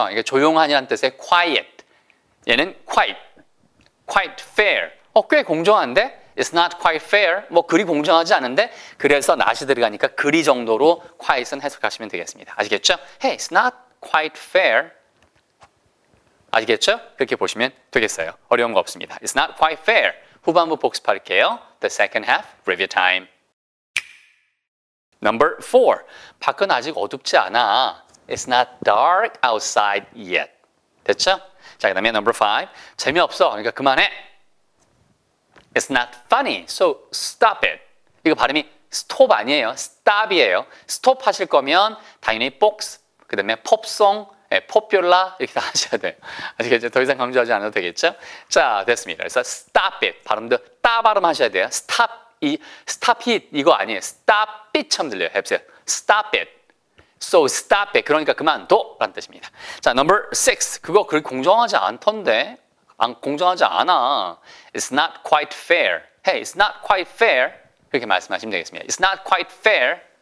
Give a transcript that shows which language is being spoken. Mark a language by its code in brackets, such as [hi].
[ko] 그러니까 조용한이라는 뜻의 quiet. 얘는 quite fair. 꽤 공정한데? [en] It's not quite fair. [ko] 뭐 그리 공정하지 않은데 그래서 not이 들어가니까 그리 정도로 quite은 해석하시면 되겠습니다. 아시겠죠? [en] Hey, it's not quite fair. 아시겠죠? [ko] 그렇게 보시면 되겠어요. 어려운 거 없습니다. [en] It's not quite fair. [ko] 후반부 복습할게요. [en] The second half, review time. Number four. [ko] 밖은 아직 어둡지 않아. [en] It's not dark outside yet. [ko] 됐죠? 자, 그 다음에 number five. 재미없어. 그러니까 그만해. [en] It's not funny. So stop it. [ko] 이거 발음이 stop 아니에요. stop이에요. stop 하실 거면 당연히 복스, 그 다음에 팝송, 네, 포퓰라 이렇게 다 하셔야 돼요. 아시겠죠? 더 이상 강조하지 않아도 되겠죠? 자, 됐습니다. 그래서 stop it 발음도 따 발음 하셔야 돼요. stop, stop it 이거 아니에요. stop it처럼 들려요. 해보세요. [en] stop it. So stop it. [ko] 그러니까 그만둬 라는 뜻입니다. 자, number six. 그거 그렇게 공정하지 않던데. 공정하지 않아. [en] It's not quite fair. Hey, it's not quite fair. [ko] 그렇게 말씀하시면 되겠습니다. [en] It's not quite fair.